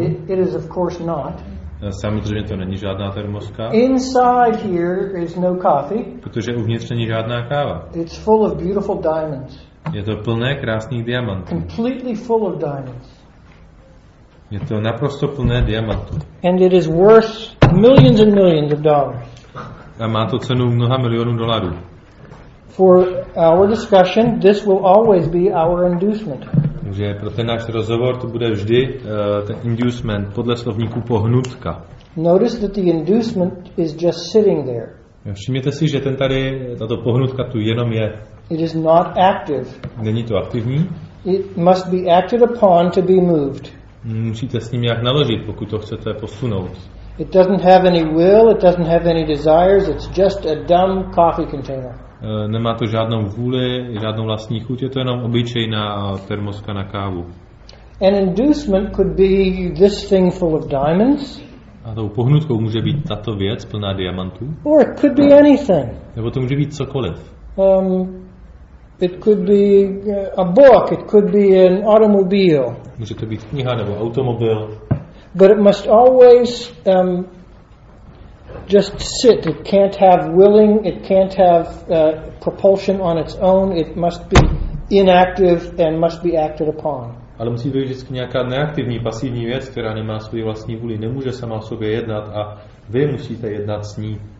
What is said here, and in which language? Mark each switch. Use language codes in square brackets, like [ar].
[en] It is of course not. [cs] Samozřejmě to není žádná termoska. [en] Inside here is no coffee. [cs] Protože uvnitř není žádná káva. [en] It's full of beautiful diamonds. [cs] Je to plné krásných diamantů. [en] Completely full of diamonds. [cs] Je to naprosto plné diamantů. [en] And it is worth millions and millions of dollars. [cs] A má to cenu mnoha milionů dolarů. [en] For our discussion, this will always be our inducement. [cs] Takže pro ten náš rozhovor to bude vždy ten inducement podle slovníku pohnutka. [en] Notice that the inducement is just sitting there. [cs] Všimněte si, že ten tady, tato pohnutka tu jenom je. [en] It is not active. [cs] Není to aktivní. [en] It must be acted upon to be moved. [cs] Musíte s ním nějak naložit, pokud to chcete posunout. [en] It doesn't have any will, it doesn't have any desires, it's just a dumb coffee container. [cs] Nemá to žádnou vůli, žádnou vlastní chuť, je to jenom obyčejná termoska na kávu. [en] An inducement could be this thing full of diamonds. [cs] A tou pohnutkou může být tato věc plná diamantů. [en] Or it could be anything. [cs] Nebo to může být cokoliv. [en] It could be a book, it could be an automobile. [cs] Může to být kniha nebo automobil. [en] But it must always just sit. It can't have willing, it can't have propulsion on its own. It must be inactive and must be acted upon. [cs] Ale musí to být vždycky nějaká neaktivní, pasivní věc, která nemá svůj vlastní vůli, nemůže sama o sobě jednat a vy musíte jednat s ní.